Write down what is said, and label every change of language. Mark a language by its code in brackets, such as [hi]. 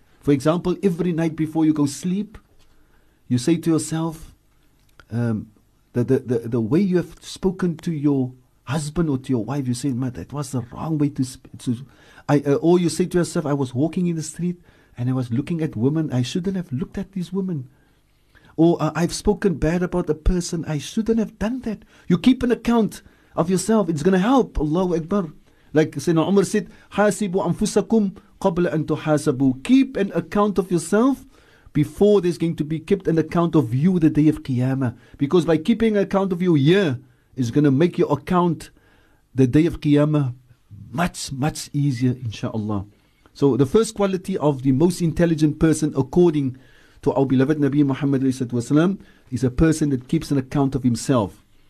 [en] For example, every night before you go sleep, you say to yourself, the way you have spoken to your husband or to your wife, you say, man, that was the wrong way to speak. Or you say to yourself, I was walking in the street and I was looking at women. I shouldn't have looked at these women. Or I've spoken bad about a person. I shouldn't have done that. You keep an account of yourself. It's going to help. Allahu Akbar. Like Sayyidina Umar said, [ar] حَاسِبُوا أَنفُسَكُمْ قَبْلَ أَن تُحَاسَبُوا. [en] Keep an account of yourself before there's going to be kept an account of you the day of Qiyamah. Because by keeping an account of you here, it's going to make your account the day of Qiyamah much, much easier, inshallah. So the first quality of the most intelligent person according to our beloved Nabi Muhammad wasalam, is a person that keeps an account of himself.